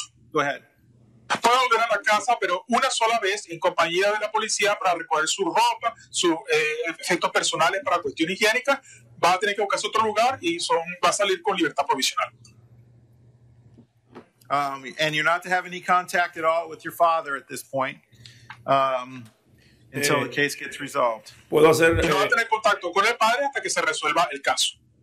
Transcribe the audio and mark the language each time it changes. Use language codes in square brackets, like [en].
[es] Puedo volver a la casa, pero una sola vez en compañía de la policía para recoger su ropa, sus efectos personales para cuestión higiénica. Va a tener que buscar otro lugar y va a salir con libertad provisional. [en] And you're not to have any contact at all with your father at this point until the case gets resolved. [es] Puedo hacer. No va a tener contacto con el padre hasta que se resuelva el caso.